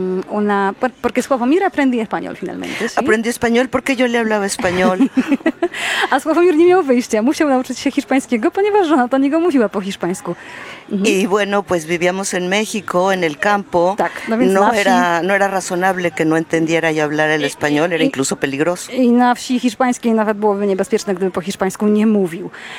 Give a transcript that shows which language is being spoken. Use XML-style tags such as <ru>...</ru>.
<es>una, porque Sławomir aprendí español finalmente, ¿sí? Aprendí español porque yo le hablaba español.</es> <pl>A Sławomir nie miał wyjścia, musiał nauczyć się hiszpańskiego, ponieważ żona do niego mówiła po hiszpańsku.</pl> <es>Y bueno, pues vivíamos en México, en el campo.</es> <pl>Tak, no więc no na wsi...</pl> <es>era razonable que no entendiera y hablara el español, era incluso peligroso.</es> <pl>I na wsi hiszpańskiej nawet byłoby niebezpieczne, gdyby po hiszpańsku nie mówił.</pl>